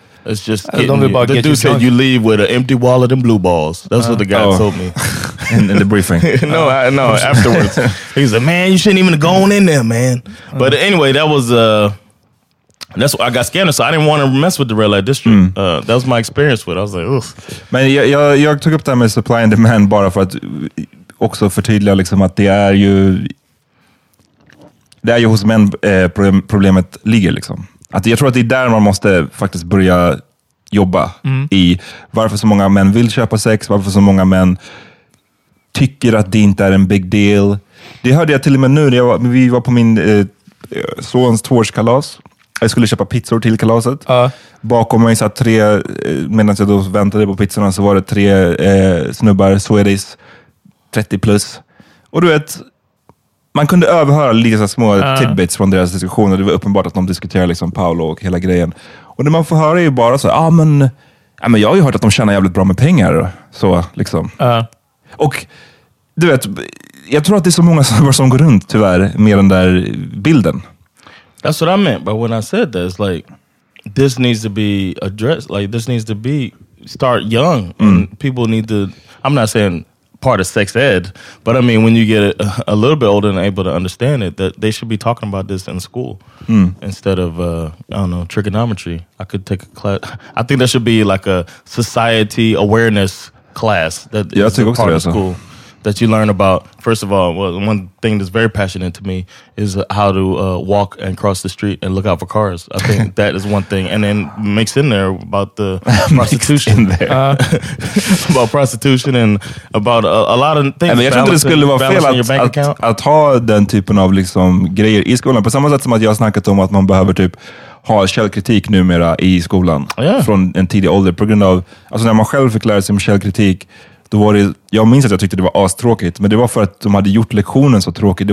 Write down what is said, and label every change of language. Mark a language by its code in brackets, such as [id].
[en] It's just the dude said you leave with an empty wallet and blue balls. That's what the guy told me. In the briefing. No, afterwards. He said, man, you shouldn't even have gone in there, man. But anyway, that was... that's why I got scammed, so I didn't want to mess with the Red Light District. That was my experience with it. I was like, ugh. [sv] Men jag tog upp det här med [en] supply and demand [sv] bara för att också förtydliga liksom att det är ju hos män problemet ligger, liksom. Att jag tror att det är där man måste faktiskt börja jobba i varför så många män vill köpa sex, varför så många män tycker att det inte är en big deal. Det hörde jag till och med nu när vi var på min sons tvåårskalas. Jag skulle köpa pizzor till kalaset. Bakom mig satt tre, medan jag då väntade på pizzorna, så var det tre snubbar, Swedis, 30 plus. Och du vet... man kunde överhöra lite så små tidbits från deras diskussioner. Det var uppenbart att de diskuterade liksom Paolo och hela grejen. Och det man får höra är ju bara så, men jag har ju hört att de tjänar jävligt bra med pengar. Så, liksom. Och, du vet, jag tror att det är så många som går runt, tyvärr, med den där bilden. [en] That's what I meant. But when I said this, like, this needs to be addressed. Like, this needs to be start young. And people need to, I'm not saying part of sex ed, but I mean, when you get a little bit older and able to understand it, that they should be talking about this in school instead of I don't know, trigonometry. I could take a class. I think there should be like a society awareness class that is a part of school that you learn about. First of all, well, one thing that's very passionate to me is how to walk and cross the street and look out for cars. I think that is one thing, and then mixed in there about the prostitution there, about prostitution and about a lot of things. [sv] Men jag tror inte det skulle vara fel att ha den typen av liksom grejer i skolan, på samma sätt som att jag har snackat om att man behöver typ ha källkritik numera i skolan från en tidig ålder, på grund av alltså när man själv förklarar sig med källkritik. Då var det, jag minns att jag tyckte det var astråkigt, men det var för att de hade gjort lektionen så tråkig.